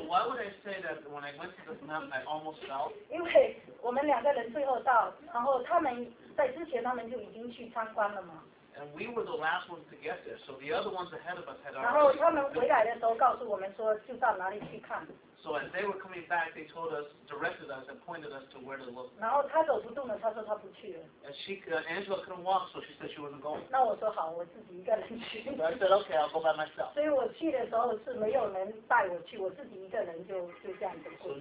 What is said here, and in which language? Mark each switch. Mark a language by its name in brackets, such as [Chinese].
[English] why would I say that when I went to the mountain I almost fell? [Chinese] 因为我们两个人最后到，然后他们在之前他们就已经去参观了嘛。 [English] And we were the last ones to get there, so the other ones ahead of us had already. [Chinese] 然后他们回来的时候告诉我们说就到哪里去看。 [English] So as they were coming back, they told us, directed us, and pointed us to where to look. [Chinese] 然后他走不动了，他说他不去了。 [English] And she, Angela couldn't walk, so she said she wasn't going. [Chinese] 那我说好，我自己一个人去。 [English] So I said, okay, I'll go by myself. [Chinese] 所以我去的时候是没有人带我去，我自己一个人就这样子过。 [English] So